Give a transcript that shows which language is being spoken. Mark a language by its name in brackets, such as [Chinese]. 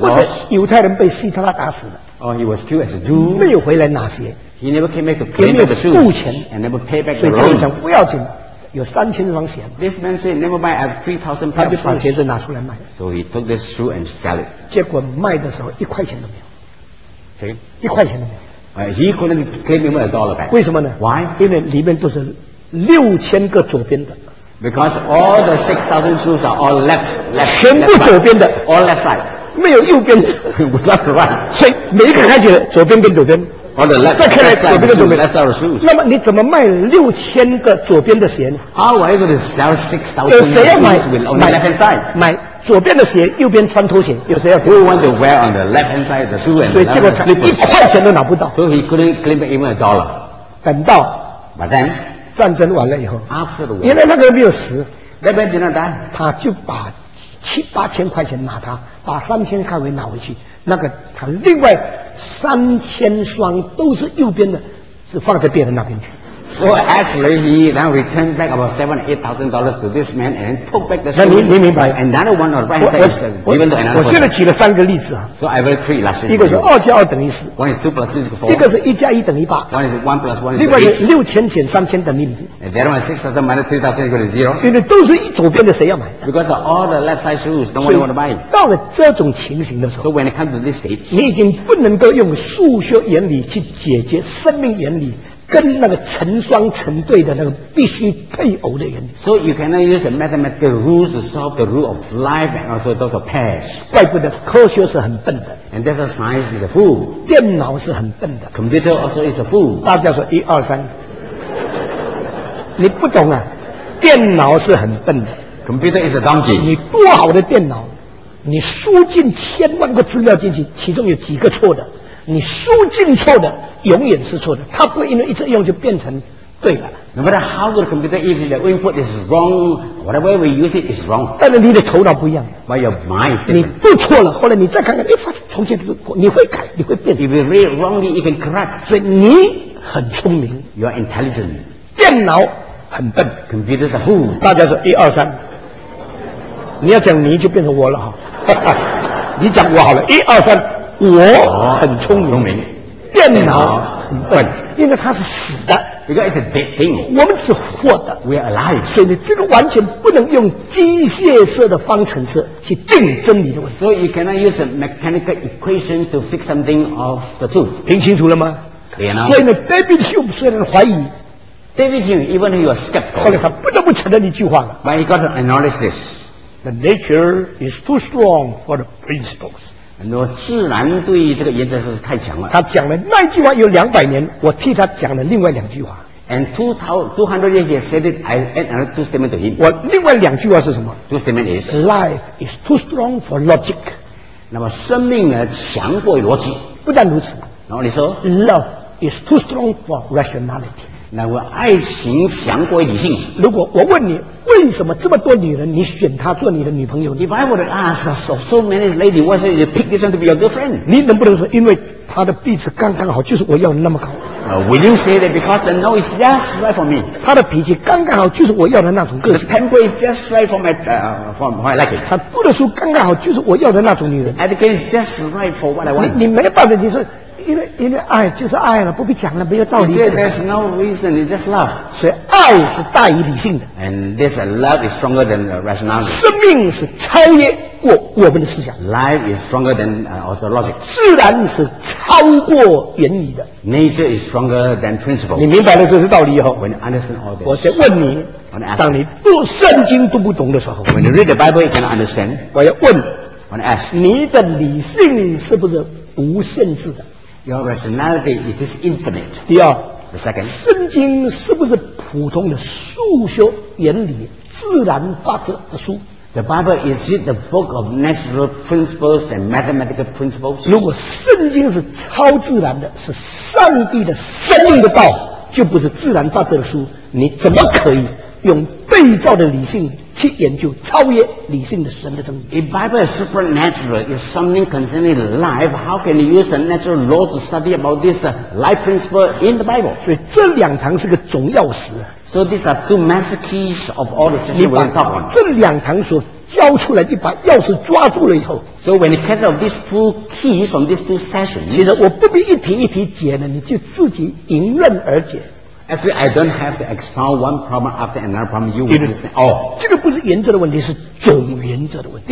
[Chinese] 或者犹太人被希特拉打死了。 [English] Or he was killed as a Jew. [Chinese] 没有回来拿鞋。 [English] He never came back to pay back the shoes. [Chinese] 也没有付钱。 [English] And never pay back the loan. [Chinese] 所以他就想不要紧，有3000双鞋。 [English] This man said, "Never mind, I have 3,000 pairs." [Chinese] 他就把鞋子拿出来卖。 [English] So he took this shoe and sell it. [Chinese] 结果卖的时候一块钱都没有。谁？一块钱都没有。 [English] He couldn't claim even a dollar back. [Chinese] 为什么呢？ [English] Why? [Chinese] 因为里面都是6000个左边的。 [English] Because all the 6,000 shoes are all left. [Chinese] 全部左边的。 [English] All left side. [Chinese] 没有右边的。 [English] Without the right. [Chinese] 所以每一个看起来左边跟左边。 [English] All the left. [Chinese] 再看来左边跟左边。 [English] Left side of the shoes. [Chinese] 那么你怎么卖6000个左边的鞋呢？ [English] How are you going to sell 6,000 shoes with only left hand side? [Chinese] 买左边的鞋，右边穿拖鞋，有谁要 [English] 钱 ？Who want to wear on the left hand side the shoe and [Chinese] 所以结果他一块钱都拿不到。 [English] So he couldn't claim even a dollar. [Chinese] 等到 [English] ，But then [Chinese] 战争完了以后 [English] ，After the war， [Chinese] 原来那个人没有死 [English] ，That man did not die. [Chinese] 他就把7000-8000块钱拿他，把3000块钱拿回去。那个他另外3000双都是右边的，是放在别人那边去。 [English] So actually, he then returned back about $7,000-$8,000 to this man and took back the shoes. [Chinese] 那你明白 [English] ？Another one or right hand side, even another. [Chinese] 我现在举了三个例子啊。 [English] So I will three last. [Chinese] 一个是二加二等于四。 [English] One is 2+2=4。 [Chinese] 一个是一加一等于八。 [English] One is 1+1=8。 [Chinese] 另外是6000减3000等于零。 [English] And the other one 6000-3000=0。 [Chinese] 因为都是左边的，谁要买 [English] ？Because all the left side shoes, no one want to buy. [Chinese] 到了这种情形的时候 [English] ，So when it comes to this stage, [Chinese] 你已经不能够用数学原理去解决生命原理。跟那个成双成对的那个必须配偶的原理。 [English] So you cannot use the mathematical rules to solve the rule of life and also those of pairs. [Chinese] 怪不得科学是很笨的。 [English] And that's why science is a fool. [Chinese] 电脑是很笨的。 [English] Computer also is a fool. [Chinese] 大家说一二三，你不懂啊？电脑是很笨的。 [English] Computer is a donkey. [Chinese] 你多好的电脑，你输进千万个资料进去，其中有几个错的？你输进错的永远是错的，它不会因为一次用就变成对的。 [English] No matter how good computer, if the input is wrong, whatever we use it is wrong. [Chinese] 但是你的头脑不一样。 [English] But your mind is different. [Chinese] 你不错了，后来你再看看，哎，发现重新你会改，你会变。 [English] If you read wrongly, you can correct. [Chinese] 所以你很聪明。 [English] You are intelligent. [Chinese] 电脑很笨。 [English] Computers are fools. [Chinese] 大家说一二三，你要讲你就变成我了哈。你讲我好了，一二三。我很聪明，电脑很笨，因为它是死的。 [English] Because it's a dead thing. [Chinese] 我们是活的 [English] ，we are alive. [Chinese] 所以这个完全不能用机械式的方程式去定真理的问题。 [English] So you cannot use a mechanical equation to fix something of the truth. [Chinese] 听清楚了吗 [English] ？Clear now. [Chinese] 所以呢 ，David Hume 虽然怀疑 [English] ，David Hume even he was skeptical. [Chinese] 后来他不得不承认一句话了 [English] ，But he got to acknowledge this: the nature is too strong for the principles. [Chinese] 很多自然对这个原则是太强了。他讲了那句话有200年，我替他讲了另外两句话。 [English] And two hundred years he said it. I added two statements to him. [Chinese] 我另外两句话是什么 [English] ？Two statements is life is too strong for logic. [Chinese] 那么生命呢强过逻辑。不但如此，然后你说 [English] love is too strong for rationality. [Chinese] 那么爱情强过理性。如果我问你。为什么这么多女人你选她做你的女朋友 [English] If I were to ask of so many ladies, why should you pick this one to be your girlfriend? [Chinese] 你能不能说因为她的鼻子刚刚好就是我要的那么高 [English] Will you say that because the nose is just right for me? [Chinese] 她的脾气刚刚好就是我要的那种个性 [English] The temper is just right for my liking. [Chinese] 她读的书刚刚好就是我要的那种女人 [English] Education is just right for what I want. [Chinese] 你没办法你说因为爱就是爱了，不必讲了，没有道理。 [English] You say there's no reason, it's just love. [Chinese] 所以爱是大于理性的。 [English] And this love is stronger than rationality. [Chinese] 生命是超越过我们的思想。 [English] Life is stronger than also logic. [Chinese] 自然是超过原理的。 [English] Nature is stronger than principle. [Chinese] 你明白了这是道理以后 [English] ，When you understand all this, [Chinese] 我先问你，当你读圣经都不懂的时候 [English] ，When you read the Bible, you cannot understand. [Chinese] 我要问 [English] ，When I ask, [Chinese] 你的理性是不是无限制的？ [English] Your rationality it is infinite. [Chinese] 第二 [English] ，the second， [Chinese] 圣经是不是普通的数学原理、自然法则的书？ [English] The Bible, is it the book of natural principles and mathematical principles? [Chinese] 如果圣经是超自然的，是上帝的生命的道，就不是自然法则的书，你怎么可以用被造的理性去研究超越理性的神的真理？ [English] If Bible is supernatural, is something concerning life, how can you use the natural law to study about this life principle in the Bible? [Chinese] 所以这两堂是个总钥匙。 [English] So these are two master keys of all the sessions we're talking about. [Chinese] 这两堂所交出来一把钥匙抓住了以后， [English] So when you catch up these two keys from these two sessions, [Chinese] 其实我不必一题一题解了，你就自己迎刃而解。 [English] Actually, I don't have to expound one problem after another problem. You will understand. Oh, [Chinese] 这个不是原则的问题，是总原则的问题。